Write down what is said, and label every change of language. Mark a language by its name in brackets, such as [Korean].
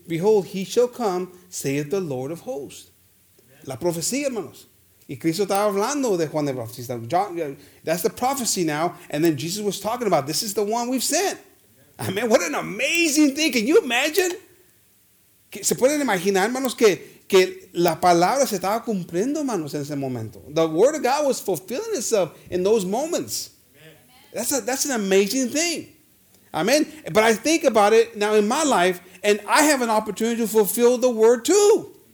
[English] Behold, he shall come, saith the Lord of hosts. [Spanish] Amen. La profecía, hermanos. Y Cristo estaba hablando de Juan el Bautista. [English] That's the prophecy now. And then Jesus was talking about, this is the one we've sent. Amen. What an amazing thing. Can you imagine? [Spanish] ¿Se pueden imaginar, hermanos, que la palabra se estaba cumpliendo, hermanos, en ese momento? [English] The word of God was fulfilling itself in those moments. That's an amazing thing. Amen. But I think about it now in my life, and I have an opportunity to fulfill the word too.